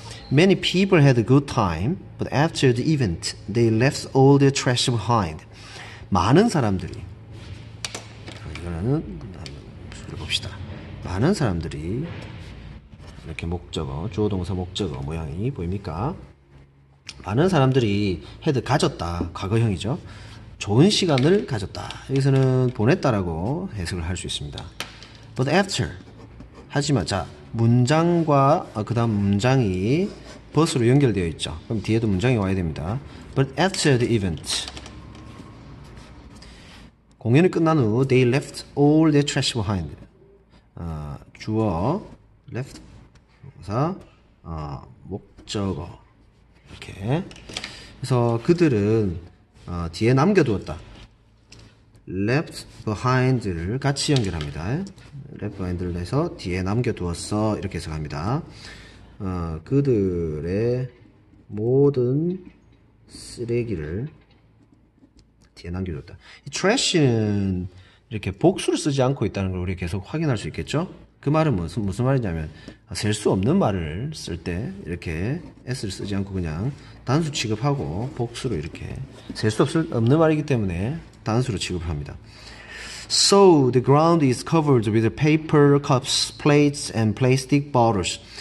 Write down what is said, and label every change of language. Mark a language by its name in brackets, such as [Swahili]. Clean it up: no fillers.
[English] Many people had a good time, but after the event, they left all their trash behind. [Korean] 많은 사람들이 이거는 읽어봅시다. 많은 사람들이 이렇게 목적어, 주어동사 목적어 모양이 보입니까? 많은 사람들이 had 가졌다, 과거형이죠. 좋은 시간을 가졌다. 여기서는 보냈다라고 해석을 할수 있습니다. But after 하지만 자 문장과 그 다음 문장이 버스로 연결되어 있죠. 그럼 뒤에도 문장이 와야 됩니다. [English] But after the event, [Korean] 공연이 끝난 후 [English] they left all their trash behind. [Korean] 주어 left 동사 목적어 이렇게. 그래서 그들은 뒤에 남겨두었다. left behind를 같이 연결합니다. left behind를 내서 뒤에 남겨두었어. 이렇게 해석합니다. 그들의 모든 쓰레기를 뒤에 남겨두었다. 이 trash는 이렇게 복수를 쓰지 않고 있다는 걸 우리 계속 확인할 수 있겠죠? 그 말은 무슨 말이냐면, 셀수 없는 말을 쓸 때, 이렇게 s를 쓰지 않고 그냥 단수 취급하고 복수로 이렇게, 셀수 없는 말이기 때문에 단수로 취급합니다. [English] So the ground is covered with paper cups, plates, and plastic bottles.